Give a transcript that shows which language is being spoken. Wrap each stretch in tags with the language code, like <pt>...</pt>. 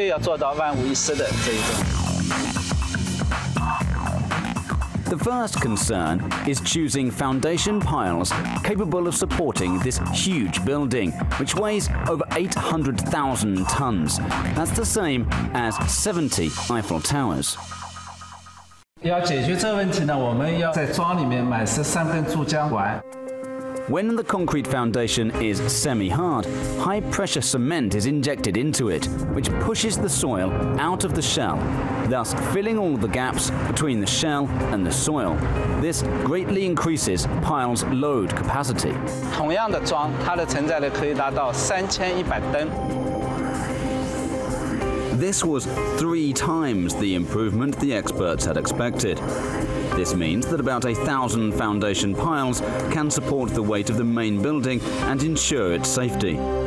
<zh>如果说你不采取一些合理的一些施工方法，造成的后果是无法弥补的。这些管线呢可能会破裂，还有可能造成的路面的一些沉降和周围的一些建筑的沉降。整个隧道毁掉，这边的楼倒掉，后果是无法弥补的。就是说，绝对要做到万无一失的这一种。</zh> <en>The first concern is choosing foundation piles capable of supporting this huge building, which weighs over 800,000 tons. That's the same as 70 Eiffel Towers.</en> <zh>要解决这问题呢，我们要在桩里面买13根柱浆管。</zh> <en>When the concrete foundation is semi-hard, high-pressure cement is injected into it, which pushes the soil out of the shell, thus filling all the gaps between the shell and the soil. This greatly increases pile's load capacity.</en> <zh>同样的桩，它的承载力可以达到3100吨。</zh> <en>This was three times the improvement the experts had expected. This means that about 1,000 foundation piles can support the weight of the main building and ensure its safety.</en>